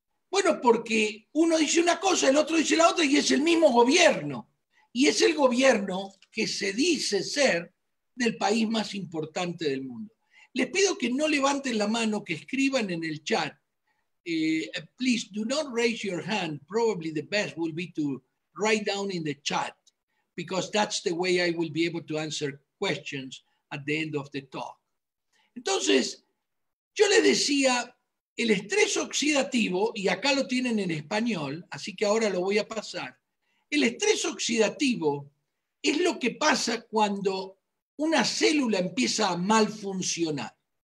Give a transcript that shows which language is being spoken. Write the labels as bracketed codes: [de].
[es] Bueno, porque uno dice una cosa, el otro dice la otra, y es el mismo gobierno. Y es el gobierno que se dice ser del país más importante del mundo. Les pido que no levanten la mano, que escriban en el chat. [en] Please do not raise your hand. Probably the best will be to write down in the chat, because that's the way I will be able to answer questions at the end of the talk. [es] Entonces, yo les decía, el estrés oxidativo, y acá lo tienen en español, así que ahora lo voy a pasar. El estrés oxidativo es lo que pasa cuando una célula empieza a mal funcionar.